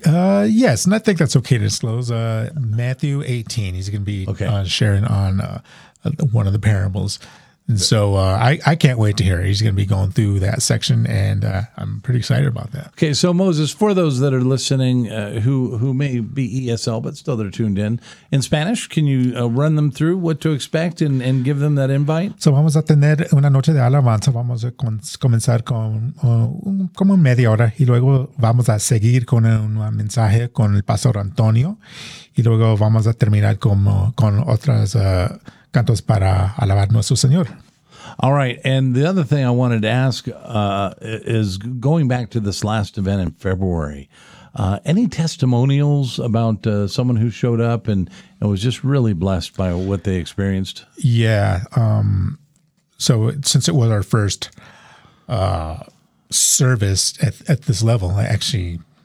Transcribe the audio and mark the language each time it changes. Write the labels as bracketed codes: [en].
[en] Yes, and I think that's okay to disclose. Matthew 18, he's going to be sharing on one of the parables. And so I can't wait to hear it. He's going to be going through that section, and I'm pretty excited about that. Okay, so Moses, for those that are listening who may be ESL but still they're tuned in Spanish, can you run them through what to expect and give them that invite? [es] So vamos a tener una noche de alabanza. Vamos a comenzar con como media hora, y luego vamos a seguir con un mensaje con el Pastor Antonio, y luego vamos a terminar con otras cantos para alabar nuestro Señor. [en] All right. And the other thing I wanted to ask is going back to this last event in February, any testimonials about someone who showed up and was just really blessed by what they experienced? Yeah. So since it was our first service at this level, I actually...